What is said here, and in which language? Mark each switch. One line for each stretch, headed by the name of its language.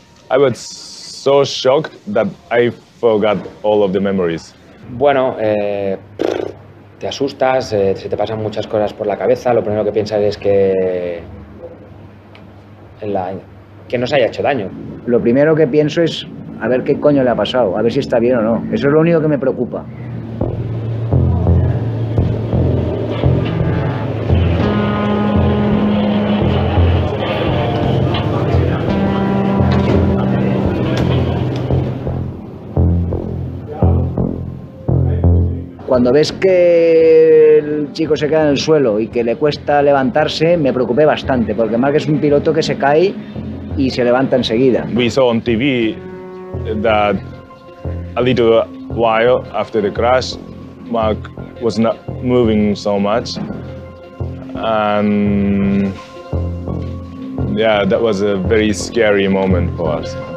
English: I was so shocked that I forgot all of the memories.
Spanish: Bueno, te asustas, se te pasan muchas cosas por la cabeza. Lo primero que piensas es que que no se haya hecho daño. Lo primero que pienso es a ver qué coño le ha pasado, a ver si está bien o no. Eso es lo único que me preocupa. Cuando ves que el chico se queda en el suelo y que le cuesta levantarse, me preocupé bastante, porque Marc es un piloto que se cae y se levanta enseguida.
English: We saw on TV that a little while after the crash, Marc was not moving so much, and yeah, that was a very scary moment for us.